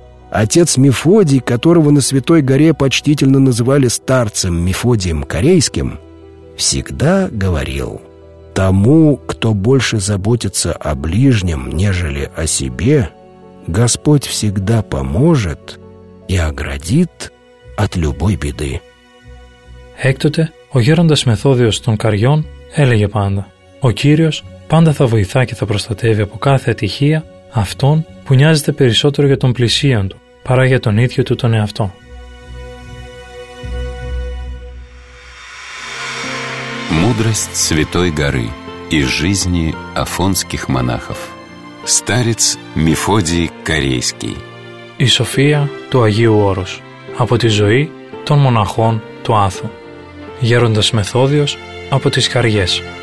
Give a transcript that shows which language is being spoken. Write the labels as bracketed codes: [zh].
[ru] Отец Мефодий, которого на Святой Горе почтительно называли старцем Мефодием Корейским, всегда говорил: «Тому, кто больше заботится о ближнем, нежели о себе, Господь всегда поможет и оградит от любой беды». [el] Έκτοτε, ο γέροντας Μεθόδιος των Καριών έλεγε πάντα: «Ο Κύριος πάντα θα βοηθά και θα προστατεύει από κάθε ατυχία αυτόν που νοιάζεται περισσότερο για τον πλησίον του, παρά για τον ίδιο του τον εαυτό». [ru] Мудрость Святой Горы из жизни афонских монахов. Старец Мефодий Корейский. [el] Η σοφία του Αγίου Όρους από τη ζωή των μοναχών του Άθου. Γέροντας Μεθόδιος από τις Καριές.